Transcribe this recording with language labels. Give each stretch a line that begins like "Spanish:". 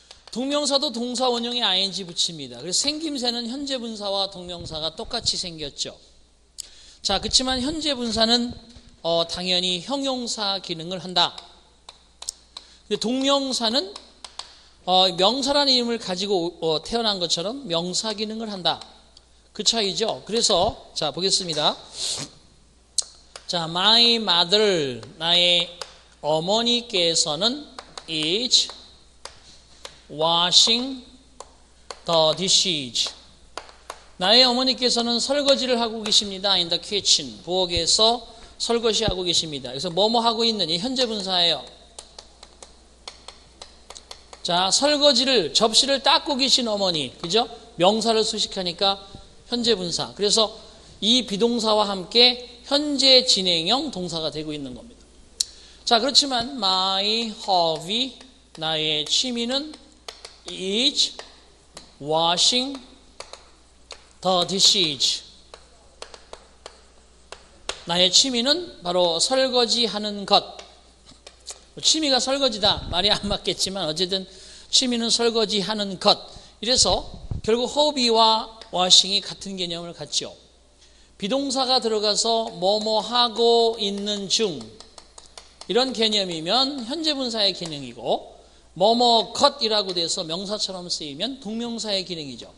Korean: 동명사도 동사 원형에 ing 붙입니다. 그래서 생김새는 현재 분사와 동명사가 똑같이 생겼죠. 자, 그렇지만 현재 분사는 당연히 형용사 기능을 한다. 근데 동명사는 명사라는 이름을 가지고 태어난 것처럼 명사 기능을 한다. 그 차이죠. 그래서 자, 보겠습니다.
English: 자, my mother,
Korean: 나의 어머니께서는
English: is washing the dishes.
Korean: 나의 어머니께서는 설거지를 하고 계십니다.
English: In the kitchen,
Korean: 부엌에서 설거지하고 계십니다. 그래서 뭐뭐 하고 있느니 현재 분사예요. 자, 설거지를, 접시를 닦고 계신 어머니, 그죠? 명사를 수식하니까 현재 분사. 그래서 이 비동사와 함께 현재 진행형 동사가 되고 있는 겁니다.
English: 자, 그렇지만 my hobby,
Korean: 나의 취미는
English: is washing the dishes.
Korean: 나의 취미는 바로 설거지하는 것. 취미가 설거지다 말이 안 맞겠지만 어쨌든 취미는 설거지하는 것. 이래서 결국 hobby와 washing이 같은 개념을 갖죠. 비동사가 들어가서 뭐뭐 하고 있는 중 이런 개념이면 현재 분사의 기능이고, 뭐뭐 것이라고 돼서 명사처럼 쓰이면 동명사의 기능이죠.